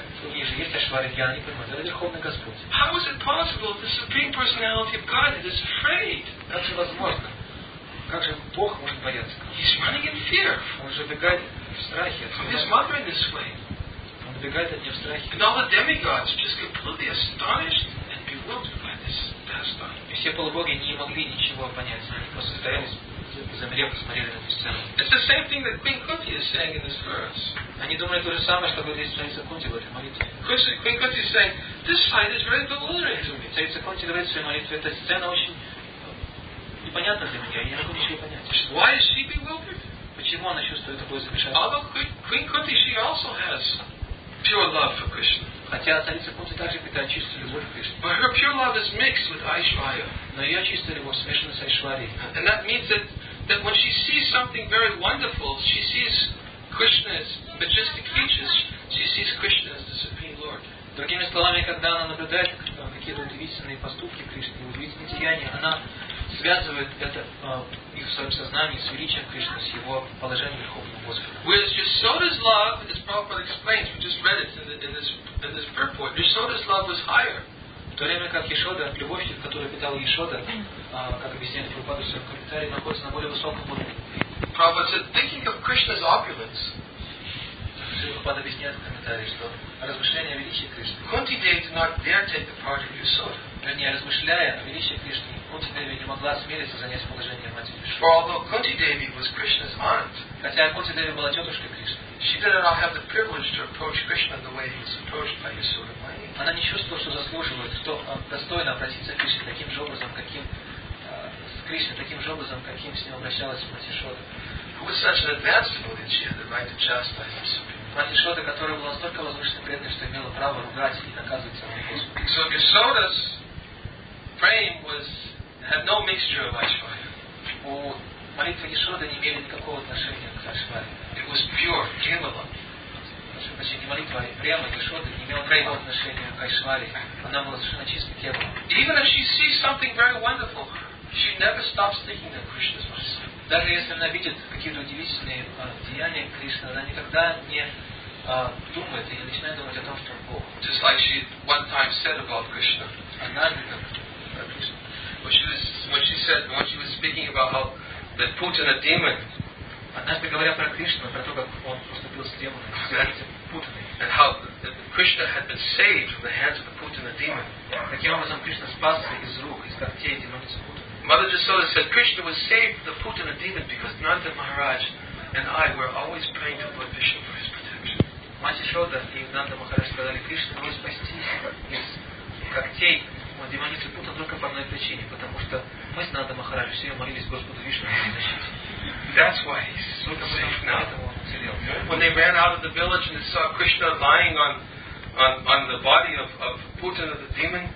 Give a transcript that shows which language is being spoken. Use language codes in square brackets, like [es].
[en] How is it possible the Supreme Personality of Godhead is afraid? He's running in fear. He's wandering this way. And all the demigods just completely astonished and bewildered by this pastime. [ru] Все полубоги не могли ничего понять. Они просто стояли, замерев, смотрели на эту сцену. [en] It's the same thing that Queen Kunti is saying in this verse. [ru] Они думали то же самое, что говорит царица Кунти в этой молитве. [en] Queen Kunti is saying, this sight is very bewildering to me. [ru] Царица Кунти говорит в своей молитве, эта сцена очень непонятна для меня. Я не могу ничего понять. [en] Why is she bewildered? [ru] Почему она чувствует такое замешательство? [en] Although Queen Kunti, she also has pure love for Krishna. [ru] Хотя царица Кунти также питает чистую любовь к Кришне. [en] But her pure love is mixed with Aishwarya. [ru] Но ее чистая любовь смешана с Aishwarya. [en] And that means that when she sees something very wonderful, she sees Krishna's majestic features, she sees Krishna as the Supreme Lord. [ru] Другими словами, когда она наблюдает какие-то удивительные поступки Кришны, удивительные деяния, она связывает это их в своем сознании с величием Кришны, с его положением Верховного Господа. [en] Whereas Yasoda's love, as Prabhupada explains, we just read it in this purport, Yasoda's love was higher. [ru] В то время как Yasoda, любовь, которую питала Yasoda, как объясняет Прабхупада в своем комментарии, находится на более высоком уровне. [en] Prabhupada said, thinking of Krishna's opulence. [ru] Прабхупада объясняет в комментарии, что размышление о величии Кришны. [en] Kunti Devi did not dare take the part of Yasoda. [ru] Вернее, размышляя о величии Кришны, Кунти Деви не могла смириться занять положение матери. [en] For although Kunti Devi was Krishna's aunt, [ru] хотя Кунти Деви была тетушкой Кришны, [en] she did not have the privilege to approach Krishna the way he was approached by Yasoda Maini. [ru] Она не чувствовала, что заслуживает, что достойно обратиться к Кришне таким же образом, каким с Кришной, таким же образом, каким с ним обращалась мать Ишода. [en] Who was such an advanced devotee, she had the right to chastise the Supreme. [ru] Мать Ишода, которая была настолько возвышенной преданной, что имела право ругать и наказывать самого Господа. [en] So Yasoda's frame was had no mixture of Aishwarya. [ru] У молитвы Ишода не имели никакого отношения к Aishwarya. [en] It was pure Kamala. [ru] Вообще не молитва, а прямо Ишода не имела никакого отношения к Aishwarya. Она была совершенно чистой Kamala. [en] Even if she sees something very wonderful, she never stops thinking of Krishna's mercy. [ru] Даже если она видит какие-то удивительные деяния Кришны, она никогда не думает и начинает думать о том, что он Бог. [en] Just like she one time said about Krishna. [ru] Однажды, как [en] when she was speaking about how that Putin a demon. [ru] Однажды говоря про Кришну, про то, как он поступил с демоном, [en] and how that Krishna had been saved from the hands of the Putin a demon. [ru] Таким образом, Кришна спасся из рук, из когтей демоницы Путина. [en] Mother Yasoda said Krishna was saved from the Putana demon because Nanda Maharaj and I were always praying to Lord Vishnu for his protection. [ru] Мать Ишода и Нанда Махарадж сказали, Кришна мог спасти из когтей демоницы Путана только по одной причине, потому что мы с Нанда Махарадж все молились Господу Вишну за защиту. [en] That's why he's safe now. When they ran out of the village and they saw Krishna lying on the body of Putana the demon,